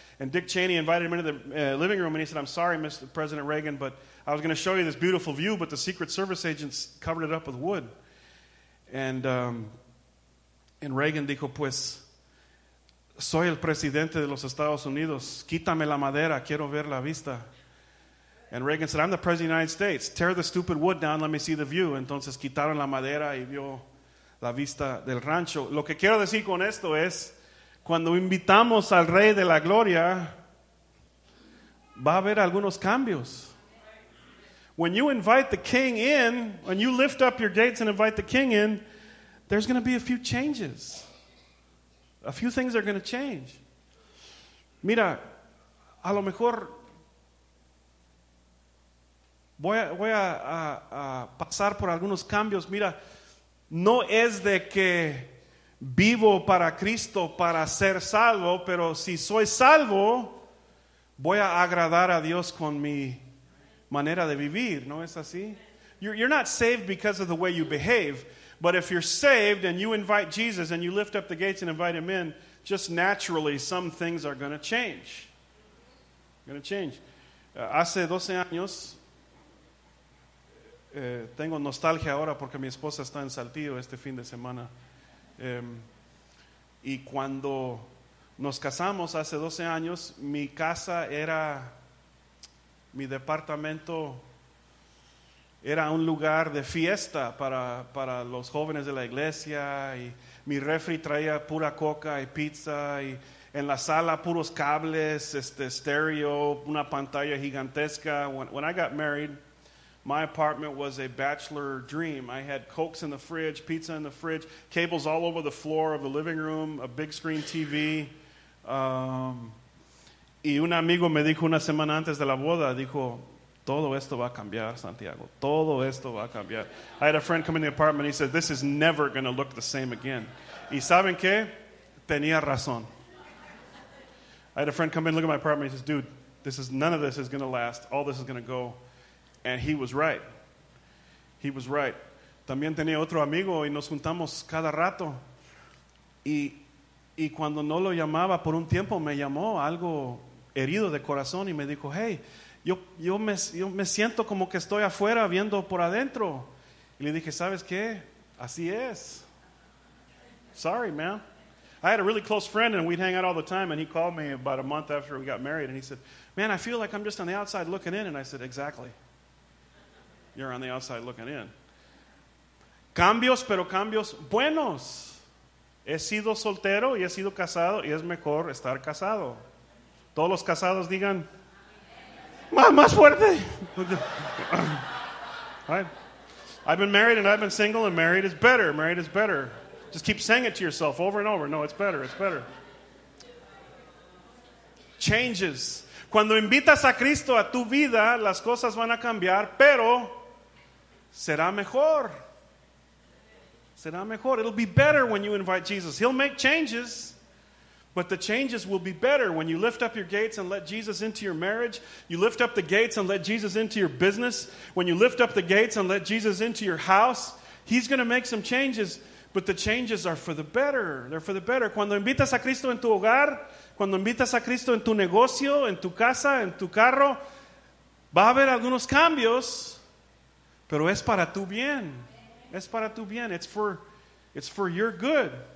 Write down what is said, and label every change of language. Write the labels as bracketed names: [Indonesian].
[English] And Dick Cheney invited him into the living room, and he said, I'm sorry, Mr. President Reagan, but I was going to show you this beautiful view, but the Secret Service agents covered it up with wood. [Spanish] And Reagan dijo, pues, soy el presidente de los Estados Unidos. Quítame la madera. Quiero ver la vista. [English] And Reagan said, I'm the president of the United States. Tear the stupid wood down. Let me see the view. [Spanish] Entonces quitaron la madera y vio la vista del rancho. Lo que quiero decir con esto es, cuando invitamos al Rey de la Gloria, va a haber algunos cambios. [English] When you invite the king in, when you lift up your gates and invite the king in, there's going to be a few changes. A few things are going to change. [Spanish] Mira, a lo mejor voy a pasar por algunos cambios. Mira, no es de que vivo para Cristo para ser salvo, pero si soy salvo, voy a agradar a Dios con mi manera de vivir. ¿No es así? [English] You're not saved because of the way you behave. But if you're saved and you invite Jesus and you lift up the gates and invite him in, just naturally some things are going to change. Going to change. [Spanish] Hace 12 años, tengo nostalgia ahora porque mi esposa está en Saltillo este fin de semana. Y cuando nos casamos hace 12 años, mi casa era, mi departamento era un lugar de fiesta para los jóvenes de la iglesia, y mi refri traía pura coca y pizza, y en la sala puros cables, stereo, una pantalla gigantesca. [English] When I got married, my apartment was a bachelor dream. I had Cokes in the fridge, pizza in the fridge, cables all over the floor of the living room, a big screen TV. [Spanish] Y un amigo me dijo una semana antes de la boda, dijo, todo esto va a cambiar, Santiago. Todo esto va a cambiar. [English] I had a friend come in the apartment. He said, this is never going to look the same again. [Spanish] ¿Y saben qué? Tenía razón. [English] I had a friend come in, look at my apartment. He says, dude, none of this is going to last. All this is going to go. And he was right. He was right. [Spanish] También tenía otro amigo y nos juntamos cada rato. Y cuando no lo llamaba por un tiempo, me llamó algo herido de corazón y me dijo, hey, Yo me siento como que estoy afuera viendo por adentro. Y le dije, ¿sabes qué? Así es. [English] Sorry, man. I had a really close friend and we'd hang out all the time, and he called me about a month after we got married and he said, man, I feel like I'm just on the outside looking in. And I said, exactly. You're on the outside looking in. [Spanish] Cambios, pero cambios buenos. He sido soltero y he sido casado y es mejor estar casado. Todos los casados digan, más fuerte. [English] I've been married and I've been single, and married is better. Married is better. Just keep saying it to yourself over and over. No, it's better. It's better. Changes. [Spanish] Cuando invitas a Cristo a tu vida, las cosas van a cambiar, pero será mejor. Será mejor. [English] It'll be better when you invite Jesus. He'll make changes. But the changes will be better when you lift up your gates and let Jesus into your marriage. You lift up the gates and let Jesus into your business. When you lift up the gates and let Jesus into your house, he's going to make some changes. But the changes are for the better. They're for the better. [Spanish] Cuando invitas a Cristo en tu hogar, cuando invitas a Cristo en tu negocio, en tu casa, en tu carro, va a haber algunos cambios, pero es para tu bien. Es para tu bien. [English] It's for your good.